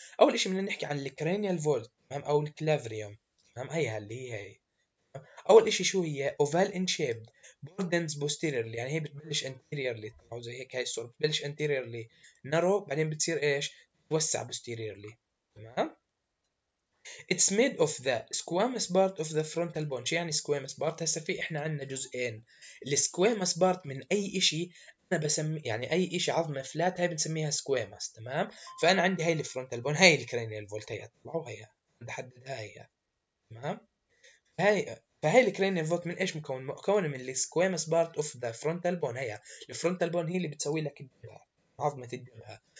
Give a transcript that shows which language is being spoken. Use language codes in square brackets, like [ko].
[ar] اول شيء بدنا نحكي عن الكرينيال فولت، تمام، او الكلافريوم، تمام. هي اللي هي اول شيء، شو هي؟ [en] oval in shape borders posterior, [ar] يعني هي بتبلش انتيريرلي، او زي هيك، هاي الصوره بتبلش انتيريرلي نارو، بعدين بتصير ايش توسع بوستيريرلي، تمام. [en] It's made of the squamous part of the frontal bone. [ar] شو يعني squamous part؟ هسا في احنا عندنا جزئين، السكويمس بارت من اي شيء انا بسمي، يعني اي شيء عظمه فلات هاي بنسميها squamous، تمام. فانا عندي هاي الفرونتال بون، هاي الكرينيال فولت، هي طلعوا هي بدي احددها هي، تمام. فهي الكرينيال فولت من ايش مكون؟ مكون من [en] السكويمس part of the frontal bone, [ar] هي الفرونتال بون هي اللي بتسوي لك الجبهه، عظمة الجبهة.